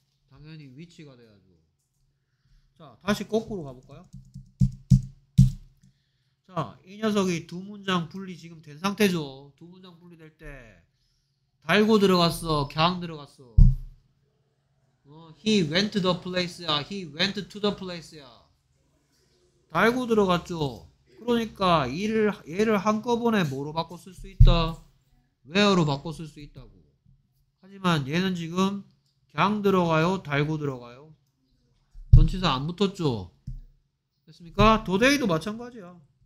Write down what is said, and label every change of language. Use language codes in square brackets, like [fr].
[ko] 당연히 위치가 돼야죠. 자, 다시 거꾸로 가볼까요? 자, 이 녀석이 두 문장 분리 지금 된 상태죠. 두 문장 분리될 때 달고 들어갔어, 걍 들어갔어. [en] 어, he went to the place야, he went to the place야. [ko] 달고 들어갔죠. 그러니까 이를 얘를 한꺼번에 뭐로 바꿔 쓸 수 있다? where로 바꿔 쓸 수 있다고. 하지만 얘는 지금 걍 들어가요, 달고 들어가요. 전치사 안 붙었죠. 됐습니까? today도 마찬가지야.